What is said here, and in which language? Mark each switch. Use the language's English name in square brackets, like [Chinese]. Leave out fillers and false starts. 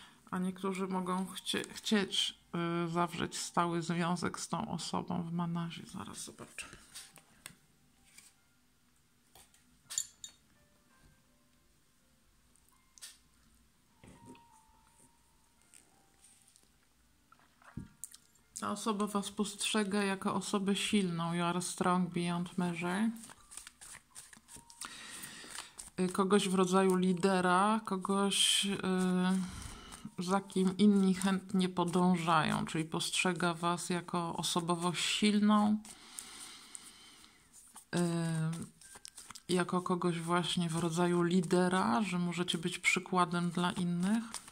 [Polish] A niektórzy mogą chcieć zawrzeć stały związek z tą osobą w manazie. Zaraz zobaczę. Ta osoba was postrzega jako osobę silną. [English] You are strong beyond measure. [Polish] Kogoś w rodzaju lidera, kogoś za kim inni chętnie podążają, czyli postrzega was jako osobowość silną, jako kogoś właśnie w rodzaju lidera, że możecie być przykładem dla innych.